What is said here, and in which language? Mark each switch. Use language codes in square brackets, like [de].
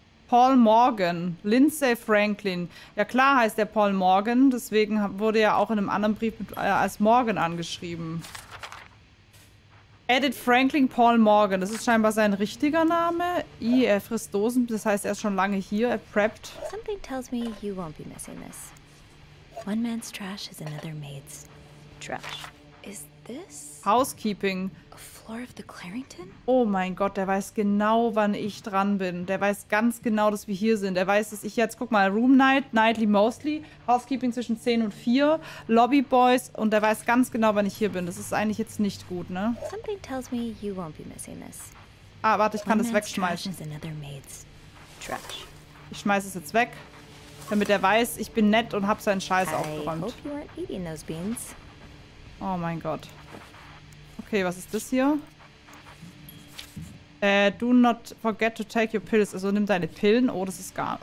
[de] Paul Morgan. Lindsay Franklin. Ja klar heißt er Paul Morgan, deswegen wurde er auch in einem anderen Brief als Morgan angeschrieben. Edith Franklin Paul Morgan. Das ist scheinbar sein richtiger Name. I, er frisst Dosen, das heißt, er ist schon lange hier, er preppt. [en] Something tells me you won't be missing this. One man's trash is another maid's trash. Is this... Housekeeping. A floor of the Clarington? [de] Oh mein Gott, der weiß genau, wann ich dran bin. Der weiß ganz genau, dass wir hier sind. Er weiß, dass ich jetzt, guck mal, Room Night, Nightly Mostly, Housekeeping zwischen 10 und 4, Lobby Boys, und der weiß ganz genau, wann ich hier bin. Das ist eigentlich jetzt nicht gut, ne? [en] Something tells me you won't be missing this. [de] Ah, warte, ich kann das wegschmeißen. [en] Trash is another maid's trash. [de] Ich schmeiß es jetzt weg, damit er weiß, ich bin nett und hab seinen Scheiß aufgeräumt. [en] I hope you weren't eating those beans. [de] Oh mein Gott. Okay, was ist das hier? [en] Do not forget to take your pills. [de] Also nimm deine Pillen. Oh, das ist gar...